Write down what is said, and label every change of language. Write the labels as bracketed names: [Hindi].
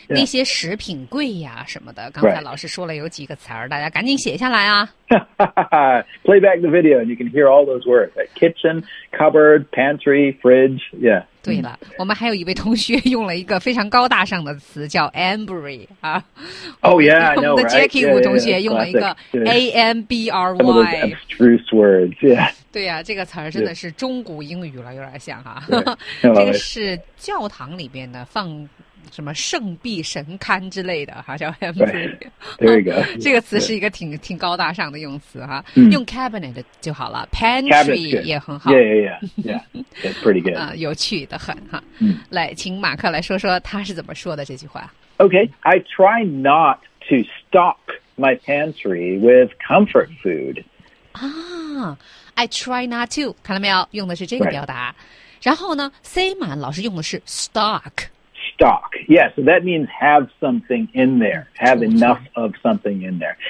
[Chinese] 那些食品柜呀、啊、什么的，刚才老师说了有几个词儿， [English] right. [Chinese] 大家赶紧写下来啊。 [English] Play back the video and you can hear all those words. Kitchen, cupboard, pantry, fridge, yeah. [Chinese] 对了、mm. 我们还有一位同学用了一个非常高大上的词叫 ambry、啊。 [English] Oh yeah, I know, right. [Chinese] 我们的 Jackie 吴同学用了一个 ambry. [English] Some of those abstruse words, yeah. [Chinese] 对呀、啊、这个词儿真的是中古英语了、 [English] yeah. [Chinese] 有点像哈、啊、这个是教堂里边的放什么圣臂神龛之类的哈、啊、叫 empty、 [English] right. [Chinese] 这个词是一个挺、yeah. 挺高大上的用词哈、啊 mm. 用 cabinet 就好了 pantry 也很好 [English] yeah yeah yeah yeah it's pretty good 、 [Chinese] 有趣的很哈、啊 mm. 来请马克来说说他是怎么说的这句话 [English] okay I try not to stock my pantry with comfort food [Chinese] 啊 [English] I try not to, [Chinese] 看到没有用的是这个表达。 [English] Right. [Chinese] 然后呢 say 满老师用的是 stock。 [English] Stock, yeah, so that means have something in there, have enough of something in there.